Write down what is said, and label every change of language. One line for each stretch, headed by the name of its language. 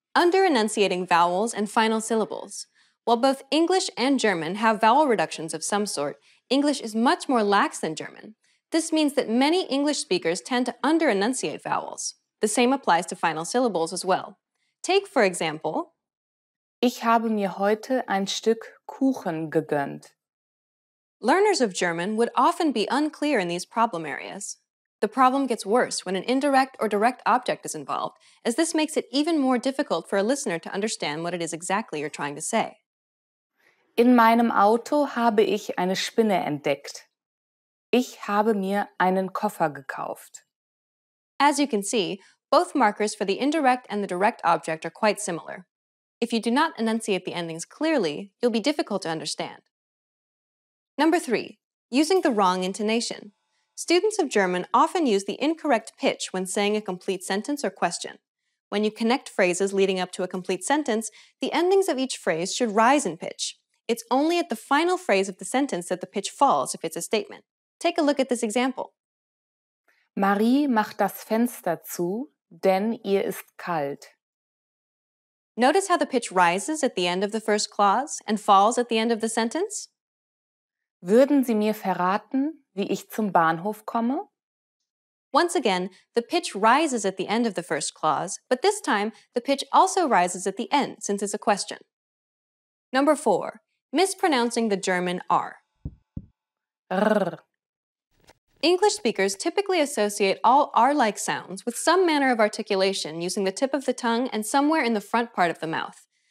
English: Under-enunciating vowels and final syllables. While both English and German have vowel reductions of some sort, English is much more lax than German. This means that many English speakers tend to under-enunciate vowels. The same applies to final syllables as well. Take, for example,
German: Ich habe mir heute ein Stück Kuchen gegönnt.
English: Learners of German would often be unclear in these problem areas. The problem gets worse when an indirect or direct object is involved, as this makes it even more difficult for a listener to understand what it is exactly you're trying to say.
German: In meinem Auto habe ich eine Spinne entdeckt. Ich habe mir einen Koffer gekauft.
English: As you can see, both markers for the indirect and the direct object are quite similar. If you do not enunciate the endings clearly, you'll be difficult to understand. Number 3. Using the wrong intonation. Students of German often use the incorrect pitch when saying a complete sentence or question. When you connect phrases leading up to a complete sentence, the endings of each phrase should rise in pitch. It's only at the final phrase of the sentence that the pitch falls if it's a statement. Take a look at this example.
German: Marie macht das Fenster zu, Denn ihr ist kalt.
English: Notice how the pitch rises at the end of the first clause and falls at the end of the sentence?
German: Würden Sie mir verraten, wie ich zum Bahnhof komme?
English: Once again, the pitch rises at the end of the first clause, but this time the pitch also rises at the end since it's a question. Number 4. Mispronouncing the German R. Rrr. English speakers typically associate all R-like sounds with some manner of articulation using the tip of the tongue and somewhere in the front part of the mouth.